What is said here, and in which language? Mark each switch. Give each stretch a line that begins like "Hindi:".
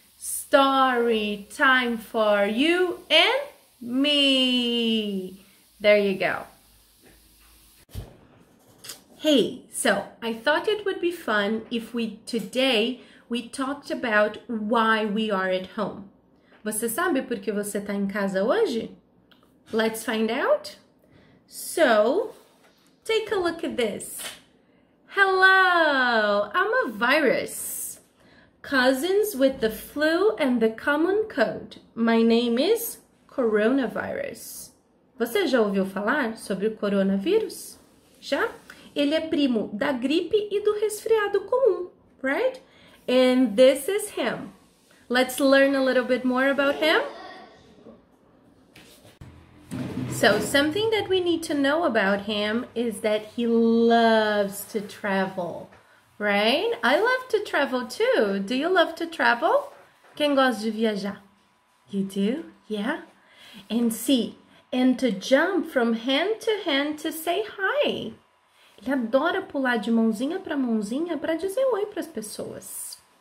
English: Story time for you and me. There you go. Hey, so I thought it would be fun if today we talked about why we are at home.
Portuguese: Você sabe por que você está em casa hoje?
English: Let's find out. So, take a look at this. Hello, I'm a virus. Cousins with the flu and the common cold. My name is coronavirus.
Portuguese: Você já ouviu falar sobre o coronavírus? Já? Ele é primo da gripe e do resfriado comum,
English: right? And this is him. Let's learn a little bit more about him. So, something that we need to know about him is that he loves to travel, right? I love to travel too. Do you love to travel?
Portuguese: Quem gosta de viajar?
English: You do? Yeah. And see, and to jump from hand to say hi.
Portuguese: Ele adora pular de mãozinha para dizer oi para as pessoas.